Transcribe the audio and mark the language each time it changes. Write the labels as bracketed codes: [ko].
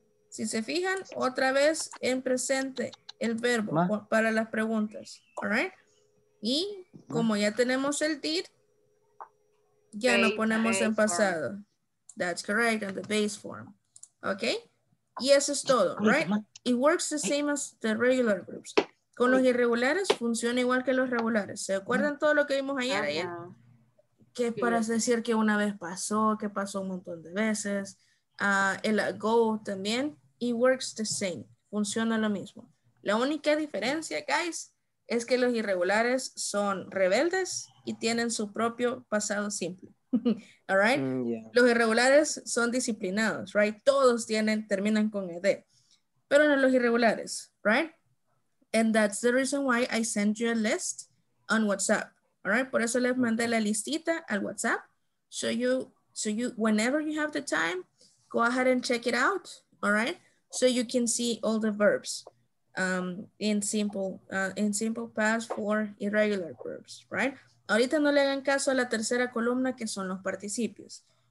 [es] Si se fijan, otra vez en presente el verbo para las preguntas. [en] All right? [es] Y como ya tenemos el did, ya lo ponemos en pasado. [en] That's correct, and the base form. Okay? [es] Y eso es todo, [en] right? It works the same as the regular verbs. [es] Con los irregulares funciona igual que los regulares. ¿Se acuerdan todo lo que vimos ayer? Uh-huh. Que es para decir que una vez pasó, que pasó un montón de veces. el ago también, [en] it works the same, [es] funciona lo mismo. La única diferencia, guys, es que los irregulares son rebeldes y tienen su propio pasado simple. [en] All right? Mm, yeah. [es] Los irregulares son disciplinados, right? Todos tienen, terminan con ed. Pero no los irregulares, right? [en] And that's the reason why I sent you a list on WhatsApp. All right? [es] Por eso les mandé la listita al WhatsApp. [en] So you whenever you have the time, go ahead and check it out, all right? So you can see all the verbs in simple past for irregular verbs, right? [es] Ahorita no le hagan caso a la tercera columna que son los participios.